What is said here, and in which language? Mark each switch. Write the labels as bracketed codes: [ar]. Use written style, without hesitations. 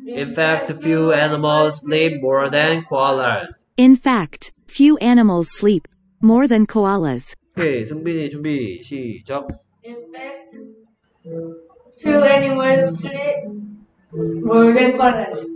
[en] In fact few animals sleep more than koalas. In fact few animals sleep more than koalas. [ko] 오케이, 승빈이 준비 시작. [en] In fact few animals sleep more than koalas.